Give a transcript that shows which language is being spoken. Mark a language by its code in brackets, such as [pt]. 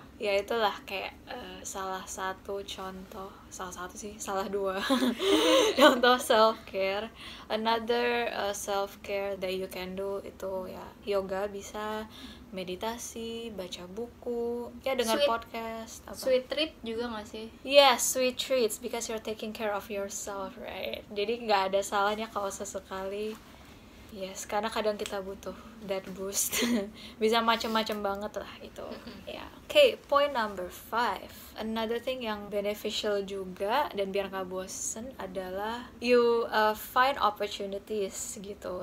[id] Ya itulah kayak salah satu contoh, salah satu sih, salah dua contoh self-care. [en] Another self-care that you can do [id] itu ya yoga bisa, meditasi, baca buku, ya dengar podcast apa. Sweet treat juga gak sih? [en] Yes, sweet treats, because you're taking care of yourself, right? [id] Jadi gak ada salahnya kalau sesekali. Yes, karena kadang kita butuh [en] that boost. [id] Bisa macam-macam banget lah itu. Yeah. [en] Okay, point number 5. Another thing [id] yang beneficial juga dan biar gak bosen adalah [en] you find opportunities [id] gitu.